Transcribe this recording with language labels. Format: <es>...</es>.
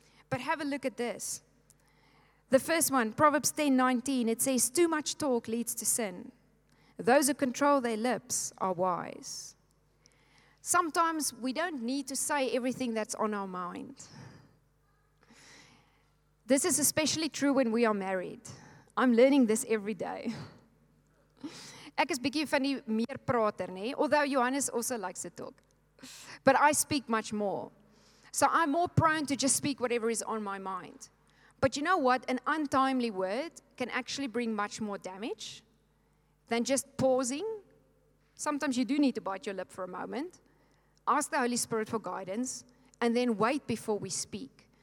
<en>But have a look at this. The first one, Proverbs 10:19, it says, too much talk leads to sin. Those who control their lips are wise. Sometimes we don't need to say everything that's on our mind. This is especially true when we are married. I'm learning this every day.</en> <af>Ek is bietjie van die meer prater, nee?</af> <en>Although Johannes also likes to talk. But I speak much more. So I'm more prone to just speak whatever is on my mind. But you know what? An untimely word can actually bring much more damage than just pausing. Sometimes you do need to bite your lip for a moment. Ask the Holy Spirit for guidance and then wait before we speak.</en>